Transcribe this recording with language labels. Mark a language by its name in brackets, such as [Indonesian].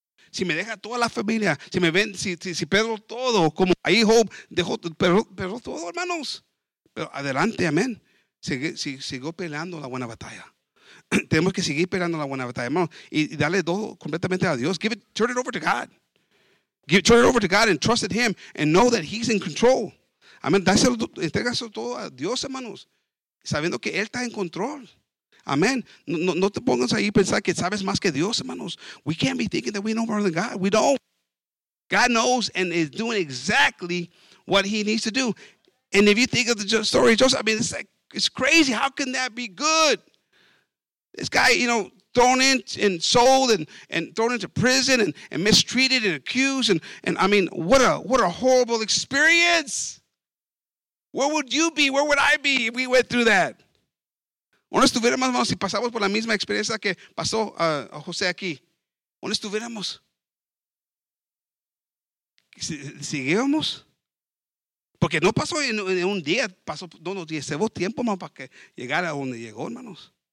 [Spanish] Si me deja toda la familia, si me ven, si perdo todo, como ahí Job dejó, perdo todo, hermanos. Pero adelante, amén. Sigo peleando la buena batalla. Tenemos que seguir pegando la buena batalla, hermano, y darle todo completamente a Dios. [English] Turn it over to God. Turn it over to God and trust in Him and know that He's in control. [Spanish] Amén. Entrégaselo todo a Dios, hermanos, sabiendo que Él está en control. Amén. No te pongas ahí a pensar que sabes más que Dios, hermanos. [English] We can't be thinking that we know more than God. We don't. God knows and is doing exactly what He needs to do. And if you think of the story, Joseph, I mean, it's like, it's crazy. How can that be good? This guy, you know, thrown in and sold and thrown into prison and mistreated and accused. And I mean, what a horrible experience. Where would you be? Where would I be if we went through that? [Spanish] ¿Dónde estuviéramos, hermanos, si pasamos por la misma experiencia que pasó a José aquí? ¿Dónde estuviéramos? ¿Siguiéramos? Porque no pasó en un día, pasó dos días. Llevó tiempo, hermano, para que llegara a donde llegó, hermanos.